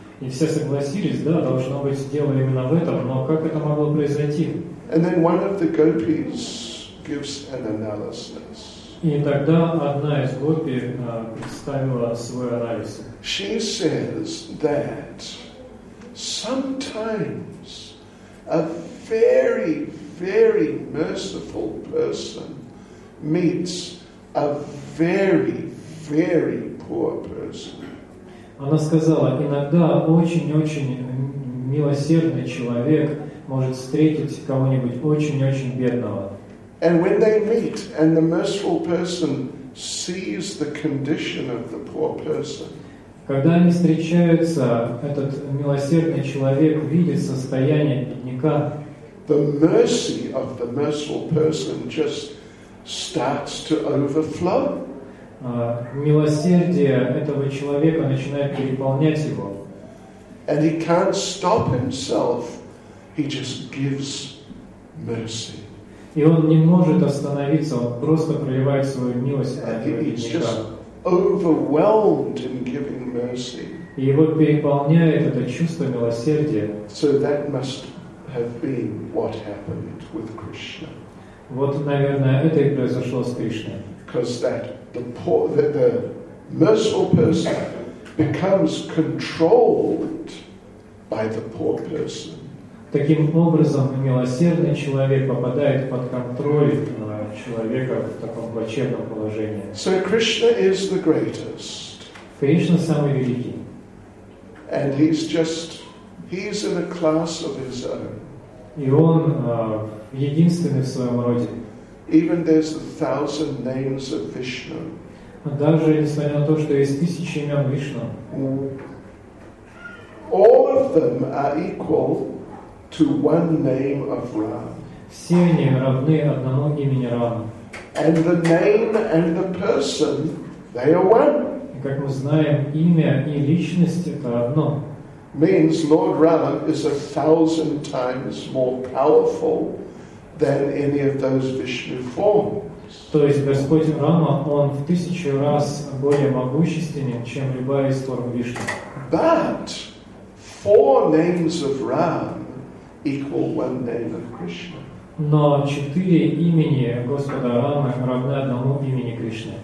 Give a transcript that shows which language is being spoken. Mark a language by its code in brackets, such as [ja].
[ru] И все согласились, да, должно быть дело именно в этом, но как это могло произойти? [en] And then one of the gopis gives an analysis. [ru] И тогда одна из гопи представила свой анализ. [en] She says that sometimes a very, very merciful person meets a very, very poor person. [ru] Она сказала, иногда очень-очень милосердный человек может встретить кого-нибудь очень-очень бедного. [en] And when they meet, and the merciful person sees the condition of the poor person. [ru] Когда они встречаются, этот милосердный человек видит состояние бедняка. [en] The mercy of the merciful person just starts to overflow. [ru] Милосердие этого человека начинает переполнять его. [en] And he can't stop himself. He just gives mercy. [ru] И он не может остановиться, он просто проливает свою милость. [en] And he's just overwhelmed in giving mercy. [ru] И его переполняет это чувство милосердия. [en] So that must have been what happened with Krishna. [ru] Вот, наверное, это и произошло с Кришной. [en] Because that the merciful person becomes controlled by the poor person. [ru] Таким образом, милосердный человек попадает под контроль человека в таком плачевном положении. [en] So Krishna is the greatest. [ru] Кришна самый великий. [en] And he's in a class of his own. [ru] И он единственный в своем роде. [en] Even there's a thousand names of Vishnu. [ru] Даже несмотря на то, что есть тысячи имен Вишну. [en] All of them are equal to one name of Ram. [ru] Все они равны одному имени Рама. [en] And the name and the person, they are one. [ru] И как мы знаем, имя и личность это одно. [en] Means Lord Rama is a thousand times more powerful than any of those Vishnu forms. [ru] То есть Господь Рама, он в тысячу раз более могущественен, чем любая из форм Вишну. [en] But four names of Ram equal one name of Krishna. [ru] Но четыре имени Господа Рамы равны одному имени Кришны.